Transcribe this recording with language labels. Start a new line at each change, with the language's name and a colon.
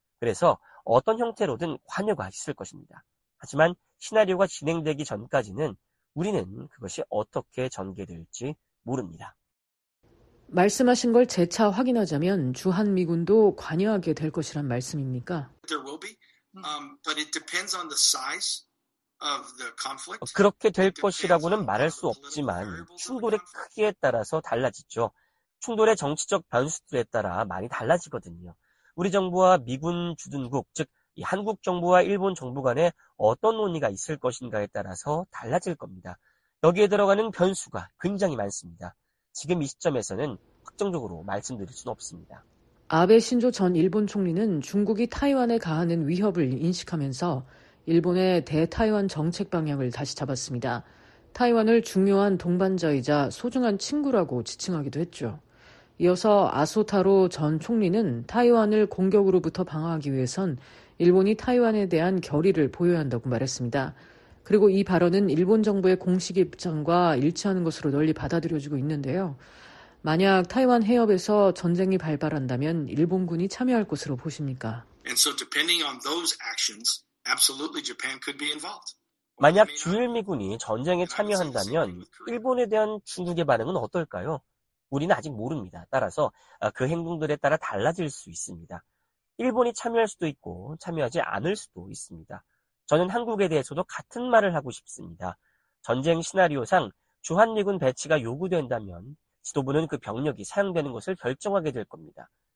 Korean: 그래서 어떤 형태로든 관여가 있을 것입니다. 하지만 시나리오가 진행되기 전까지는 우리는 그것이 어떻게 전개될지 모릅니다. 말씀하신 걸 재차 확인하자면 주한미군도 관여하게 될 것이란 말씀입니까?
English: There will be, but it depends on the size of the conflict.
Korean: 그렇게 될 것이라고는 말할 수 없지만 충돌의 크기에 따라서 달라지죠. 충돌의 정치적 변수들에 따라 많이 달라지거든요. 우리 정부와 미군 주둔국, 즉 이 한국 정부와 일본 정부 간에 어떤 논의가 있을 것인가에 따라서 달라질 겁니다. 여기에 들어가는 변수가 굉장히 많습니다. 지금 이 시점에서는 확정적으로 말씀드릴 수는 없습니다. 아베 신조 전 일본 총리는 중국이 타이완에 가하는 위협을 인식하면서 일본의 대타이완 정책 방향을 다시 잡았습니다. 타이완을 중요한 동반자이자 소중한 친구라고 지칭하기도 했죠. 이어서 아소타로 전 총리는 타이완을 공격으로부터 방어하기 위해선 일본이 타이완에 대한 결의를 보여야 한다고 말했습니다. 그리고 이 발언은 일본 정부의 공식 입장과 일치하는 것으로 널리 받아들여지고 있는데요. 만약 타이완 해협에서 전쟁이 발발한다면 일본군이 참여할 것으로 보십니까?
English: And so depending on those actions, absolutely Japan could be involved.
Korean: 만약 주일미군이 전쟁에 참여한다면 일본에 대한 중국의 반응은 어떨까요? 우리는 아직 모릅니다. 따라서 그 행동들에 따라 달라질 수 있습니다. 일본이 참여할 수도 있고 참여하지 않을 수도 있습니다. 저는 한국에 대해서도 같은 말을 하고 싶습니다. 전쟁 시나리오상 주한미군 배치가 요구된다면 지도부는 그 병력이 사용되는 것을 결정하게 될 겁니다.